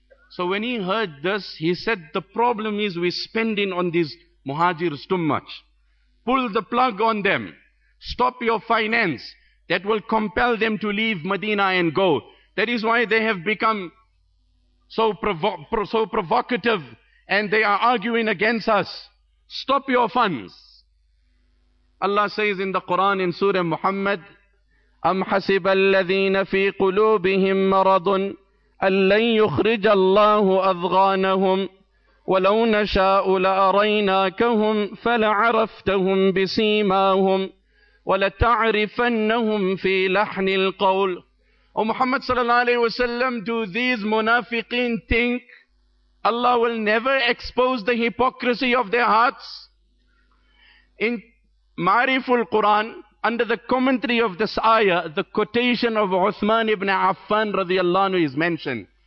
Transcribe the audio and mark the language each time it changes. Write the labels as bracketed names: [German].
[English] So when he heard this, he said, the problem is we're spending on these Muhajirs too much. Pull the plug on them. Stop your finance. That will compel them to leave Medina and go. That is why they have become so provocative and they are arguing against us. Stop your funds. Allah says in the Quran in Surah Muhammad, [Arabic] أَمْ حَسِبَ الَّذِينَ فِي قُلُوبِهِمْ مَرَضٌ أَلَّنْ يُخْرِجَ اللَّهُ أَذْغَانَهُمْ وَلَوْ نَشَاءُ لَأَرَيْنَاكَهُمْ فَلَعَرَفْتَهُمْ بِسِيمَاهُمْ وَلَتَعْرِفَنَّهُمْ فِي لَحْنِ الْقَوْلِ. [English] O Muhammad sallallahu alayhi wa sallam, do these munafiqeen think Allah will never expose the hypocrisy of their hearts? In Ma'riful Quran, under the commentary of this ayah, the quotation of Uthman ibn Affan radiallahu anhu is mentioned.